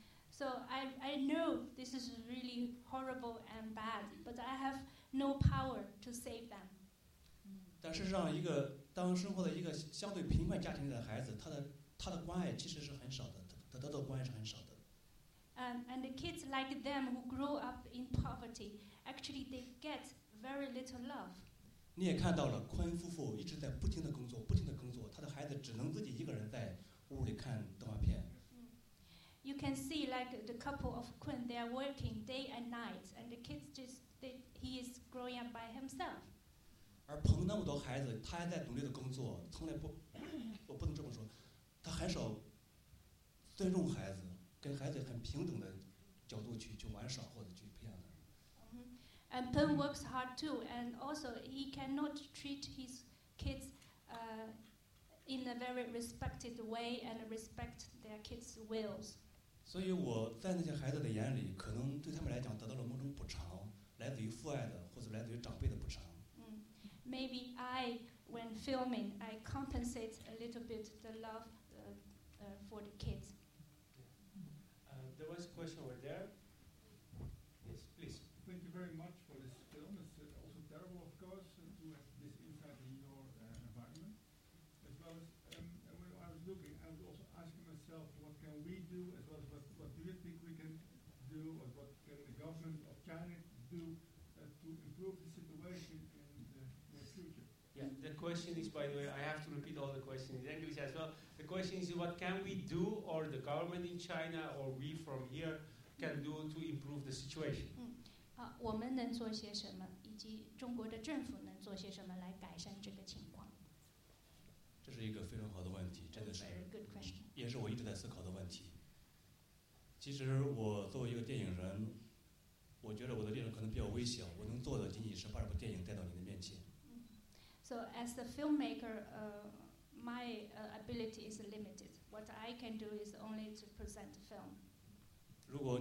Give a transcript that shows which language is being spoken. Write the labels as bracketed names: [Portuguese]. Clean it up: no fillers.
[English] So I know this is really horrible and bad, but I have no power to save them. [Chinese] 但事实上，当生活在一个相对贫困家庭的孩子，他的关爱其实是很少的，他得到关爱是很少的。 [English] And the kids like them who grow up in poverty, actually they get very little love. [Chinese] 你也看到了，坤夫妇一直在不停的工作，不停的工作，他的孩子只能自己一个人在屋里看动画片。 [English] You can see, like the couple of Quinn, they are working day and night, and the kids just—he is growing up by himself. [Chinese] 而捧那么多孩子，他还在努力的工作，从来不，我不能这么说，他很少尊重孩子，跟孩子很平等的角度去玩耍或者去培养他。 [English] A And Peng mm-hmm. works hard too, and also he cannot treat his kids in a very respected way and respect their kids' wills. [Chinese] 所以我在那些孩子的眼里，可能对他们来讲得到了某种补偿。来自于父爱的，或者来自于长辈的补偿。 [English] Maybe I, when filming, I compensate a little bit the love for the kids. There was a question over there. Yes, please. Thank you very much for this film. It's also terrible, of course, to have this insight in your environment. As well as when I was looking, I was also asking myself, what can we do, as well as what do you think we can do, or what can the government of China to improve the situation in the future? Yeah, the question is, by the way, I have to repeat all the questions in English as well. The question is, what can we do, or the government in China, or we from here, can do to improve the situation? [Chinese] 我们能做些什么，以及中国的政府能做些什么来改善这个情况？这是一个非常好的问题，真的是。也是我一直在思考的问题。其实我作为一个电影人。我觉得我的电影可能比较微小，我能做的仅仅是把这部电影带到你的面前。So [English] as the filmmaker, my ability is limited. What I can do is only to present the film.